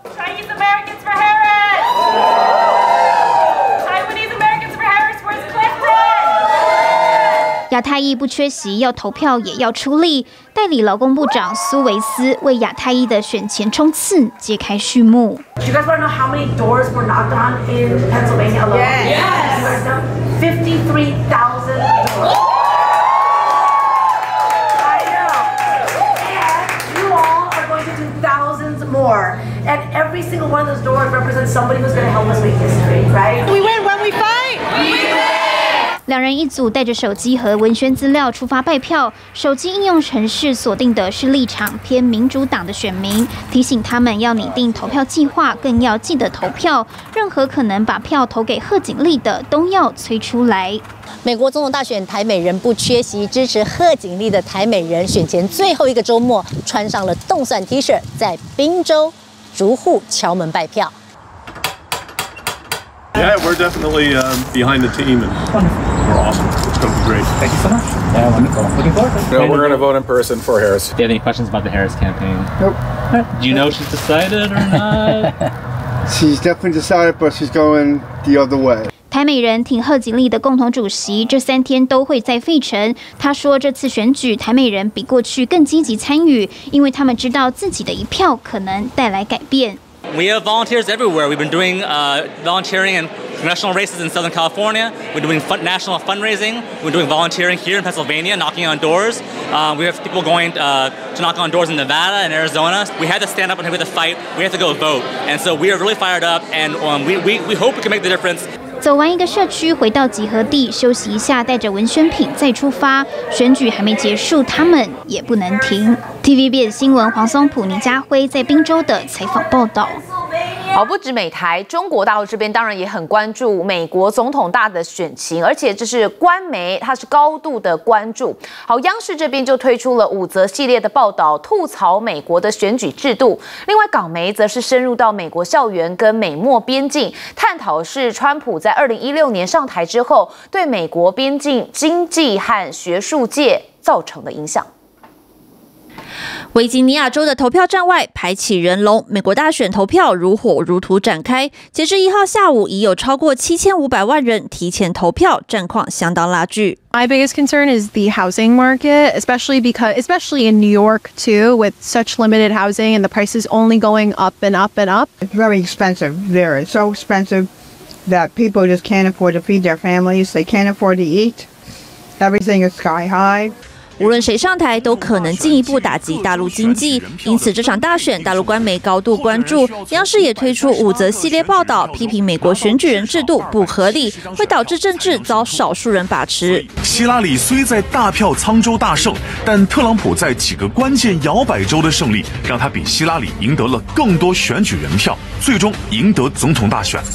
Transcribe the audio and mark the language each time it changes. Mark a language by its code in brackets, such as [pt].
[en] Chinese Americans for Harris!Taiwanese Americans for Harris, where's Clinton? [zh] 亚太裔不缺席，要投票也要出力。代理劳工部长苏维斯为亚太裔的选前冲刺揭开序幕。 [en] Do you guys want to know how many doors were knocked on in Pennsylvania alone? Yes. Do you guys know? 53,000 doors. I know. And you all are going to do thousands more. And every single one of those doors represents somebody who's going to help us make history, right? We win when we fight. We win. [zh] 两人一组带着手机和文宣资料出发拜票，手机应用程式锁定的是立场偏民主党的选民，提醒他们要拟定投票计划，更要记得投票，任何可能把票投给贺锦丽的都要催出来。美国总统大选台美人不缺席，支持贺锦丽的台美人选前最后一个周末穿上了动算 T 恤，在宾州逐户敲门拜票。 [en] Yeah, we're definitely behind the team, and we're awesome. It's going to be great. Thank you so much. Yeah, wonderful. Looking forward to it. No, we're going to vote in person for Harris. Do you have any questions about the Harris campaign? Nope. Do you know she's decided or not? She's definitely decided, but she's going the other way. [zh] 台美人挺贺锦丽的共同主席这三天都会在费城。他说，这次选举台美人比过去更积极参与，因为他们知道自己的一票可能带来改变。 [en] We have volunteers everywhere. We've been doing volunteering in congressional races in Southern California. We're doing national fundraising. We're doing volunteering here in Pennsylvania, knocking on doors. We have people going to knock on doors in Nevada and Arizona. We had to stand up and we had to fight. We had to go vote. And so we are really fired up, and we hope we can make the difference. [zh] 走完一个社区，回到集合地休息一下，带着文宣品再出发。选举还没结束，他们也不能停。TVBS 新闻黄松浦、倪家辉在宾州的采访报道。好，不止美台，中国大陆这边当然也很关注美国总统大的选情，而且这是官媒，它是高度的关注。好，央视这边就推出了五则系列的报道，吐槽美国的选举制度。另外，港媒则是深入到美国校园跟美墨边境，探讨是川普在2016年上台之后，对美国边境经济和学术界造成的影响。维吉尼亚州的投票站外排起人龙，美国大选投票如火如荼展开。截至1号下午，已有超过7500万人提前投票，战况相当拉锯。 [en] My biggest concern is the housing market, especially in New York too, with such limited housing and the prices only going up and up and up. It's very expensive. There, it's so expensive that people just can't afford to feed their families. They can't afford to eat. Everything is sky high. [zh] 无论谁上台都可能进一步打击大陆经济，因此这场大选大陆官媒高度关注，央视也推出五则系列报道，批评美国选举人制度不合理，会导致政治遭少数人把持。希拉里虽在大票沧州大胜，但特朗普在几个关键摇摆州的胜利让他比希拉里赢得了更多选举人票，最终赢得总统大选。